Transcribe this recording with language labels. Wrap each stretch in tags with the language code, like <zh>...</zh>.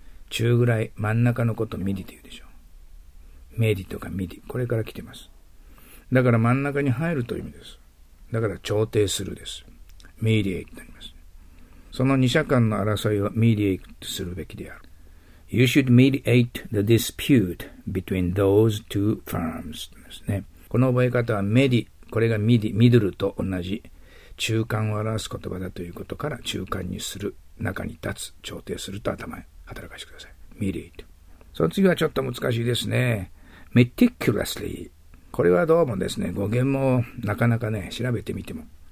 <ja>中ぐらい、真ん中のことミディと言うでしょう。メディとかミディ、これから来てます。だから真ん中に入るという意味です。だから調停するです。mediate となります。その二者間の争いをメディエイトするべきである。</ja> <en>You should mediate the dispute between those two firms</en> <ja>ですね。この覚え方はメディ、これがミディ、ミドルと同じ中間を表す言葉だということから、中間にする、中に立つ、調停すると頭に働かせてください。</ja> <en>mediate。</en> <ja>その次はちょっと難しいですね。</ja> <en>meticulously。</en> <ja>これはどうもですね、語源もなかなかね、調べてみても。</ja>